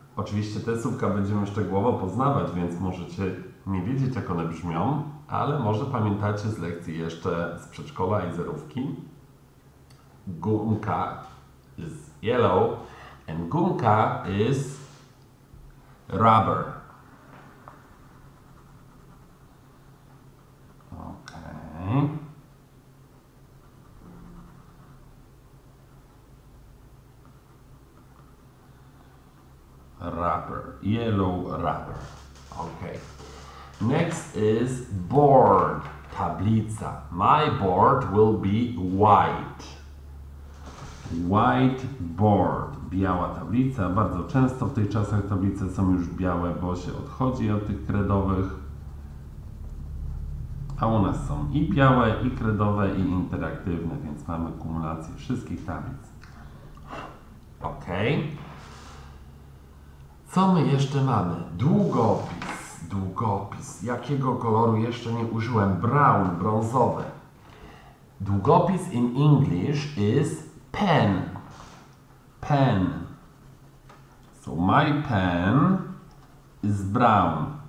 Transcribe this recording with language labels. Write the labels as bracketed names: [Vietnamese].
[Polish] Oczywiście te słówka będziemy szczegółowo poznawać, więc możecie nie wiedzieć, jak one brzmią, ale może pamiętacie z lekcji jeszcze z przedszkola i zerówki. [English] Gumka is yellow and gumka is rubber. Rubber. Yellow rubber. Ok. Next is board. Tablica. My board will be white. White board. [Polish] Biała tablica. Bardzo często w tych czasach tablice są już białe, bo się odchodzi od tych kredowych. A u nas są i białe, i kredowe, i interaktywne, więc mamy kumulację wszystkich tablic. Ok. Co my jeszcze mamy? Długopis. Długopis. Jakiego koloru jeszcze nie użyłem? [English] Brown, brązowy. Długopis in English is pen. Pen. So my pen is brown.